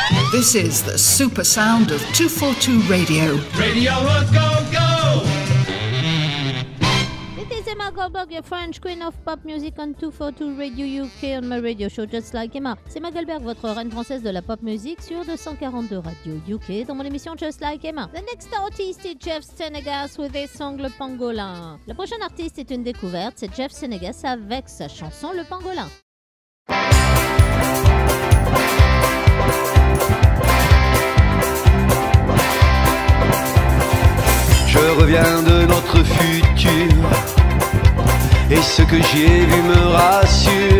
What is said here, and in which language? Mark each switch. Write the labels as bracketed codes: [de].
[en] This is the super sound of 242 Radio. Radio, let's go, go! Magalberg, your French queen of pop music on 242 Radio UK on my radio show Just Like Emma. [fr] C'est Magalberg, votre reine française de la pop music sur 242 Radio UK dans mon émission Just Like Emma. [en] The next artist is Jeff Senegas with his song Le Pangolin. [fr] La prochaine artiste est une découverte, c'est Jeff Senegas avec sa chanson Le Pangolin. Je reviens de notre futur. Et ce que j'y ai vu me rassure.